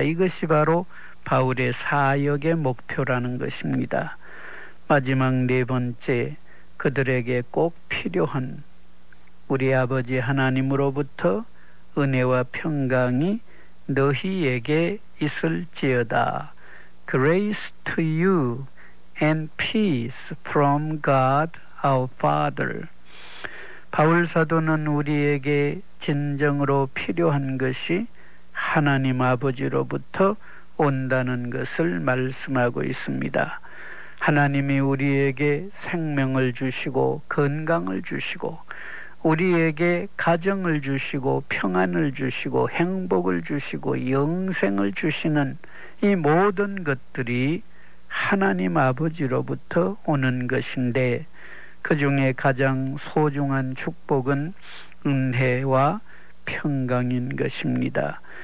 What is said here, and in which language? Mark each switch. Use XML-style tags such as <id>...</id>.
<ko>이것이 바로 바울의 사역의 목표라는 것입니다. 마지막 네 번째, 그들에게 꼭 필요한 우리 아버지 하나님으로부터 은혜와 평강이 너희에게 있을지어다.</ko> <en>Grace to you and peace from God our Father.</en> <ko>바울 사도는 우리에게 진정으로 필요한 것이 하나님 아버지로부터 온다는 것을 말씀하고 있습니다. 하나님이 우리에게 생명을 주시고 건강을 주시고 우리에게 가정을 주시고 평안을 주시고 행복을 주시고 영생을 주시는 이 모든 것들이 하나님 아버지로부터 오는 것인데 그 중에 가장 소중한 축복은 은혜와 평강인 것입니다.</ko>